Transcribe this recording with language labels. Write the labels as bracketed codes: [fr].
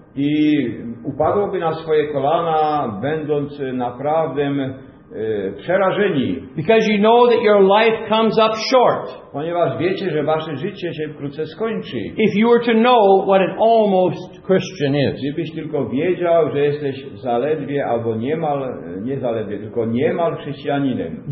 [pl] I upadłoby na swoje kolana, będąc naprawdę przerażeni. [en] Because you know that your life comes up short. [pl] Ponieważ wiecie, że wasze życie się wkrótce skończy. [en] If you were to know what an almost Christian is. [pl] Gdybyś tylko wiedział, że jesteś zaledwie albo niemal, nie zaledwie, tylko niemal chrześcijaninem.